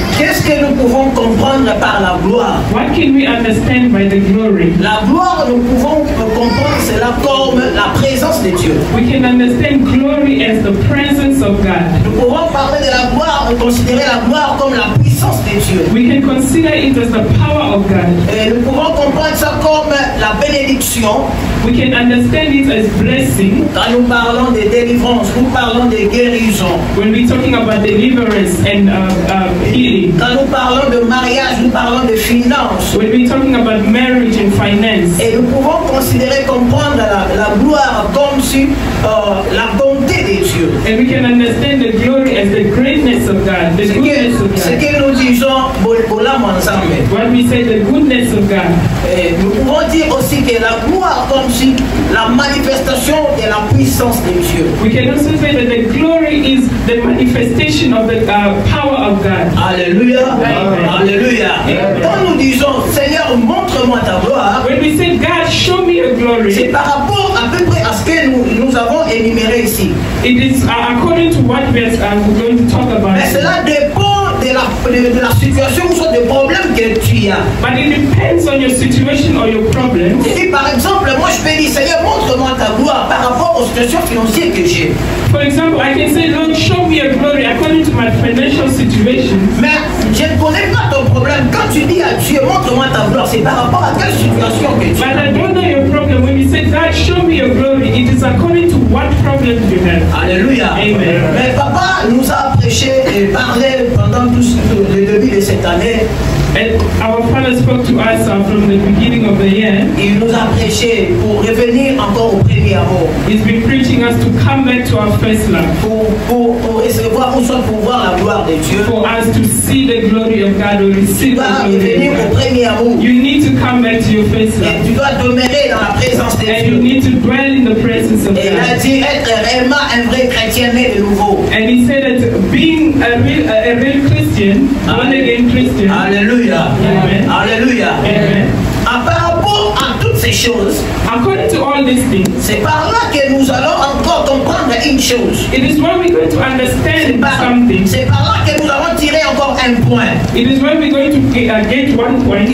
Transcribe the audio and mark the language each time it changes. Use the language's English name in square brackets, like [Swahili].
[French] Qu'est-ce que nous pouvons comprendre par la gloire? [English] What can we understand by the glory? [French] La gloire, nous pouvons comprendre cela comme la présence de Dieu. [English] We can understand glory as the presence of God. [French] Nous pouvons parler de la gloire ou considérer la gloire comme la puissance de Dieu. [English] We can consider it as the power of God. [French] Et nous pouvons comprendre ça comme la bénédiction. [English] We can understand it as blessing. [French] Quand nous parlons de délivrance, nous parlons de guérison. [English] When we're talking about deliverance and healing. [French] Quand nous parlons de mariage, nous parlons de finances. [English] When we're talking about marriage and finance. [French] Et nous pouvons considérer, comprendre la gloire comme si la bonté de Dieu. [English] And we can understand the glory as the greatness of God, the goodness of God. [French] Ce que nous disons volamment ensemble. [English] When we say the goodness of God. [French] On dit aussi que la gloire comme si la manifestation de la puissance de Dieu. [English] We can also say that the glory is the manifestation of the power of God. [French] Alléluia. Alléluia. Quand nous disons Seigneur, montre-moi ta gloire. [English] When we say God, show me your glory. [French] C'est par rapport à peu près à ce que nous avons énuméré ici. [English] It is according to what we are going to talk about. [French] Mais cela dépend de la situation ou soit des problèmes que tu as. [English] But it depends on your situation or your problem. [French] Si par exemple, moi je peux dire, Seigneur, montre-moi ta gloire par rapport aux situations financières que j'ai. [English] For example, I can say, Lord, show me your glory according to my financial situation. [French] Mais je ne connais pas ton problème. Quand tu dis à Dieu, montre-moi ta gloire, c'est par rapport à quelle situation que tu as. [English] But I don't know your problem. When you say, God, show me your glory, it is according to what problem you have. [French] Alléluia. Amen. Mais papa nous a prêché et parlé pendant le début de cette année. [English] And our father spoke to us from the beginning of the year. [French] Il nous a prêché pour revenir encore au premier amour. [English] He's been preaching us to come back to our first love. [French] Pour recevoir ou soit pour voir la gloire de Dieu. [English] For us to see the glory of God or receive the glory. [French] Tu dois revenir au premier amour. [English] You need to come back to your first love. [French] Et tu dois demeurer dans la présence de Dieu. [English] And you need to dwell in the presence of God. [French] Et il a dit être réellement un vrai chrétien né de nouveau. [English] And he said that being a real Christian, born again Christian. [French] Alléluia. Amen. Alléluia. Amen. Par rapport à toutes ces choses, [English] according to all these things, [French] c'est par là que nous allons encore comprendre une chose. [English] It is when we're going to understand something. [French] C'est par là que nous allons tirer encore un point. [English] It is when we're going to get one point.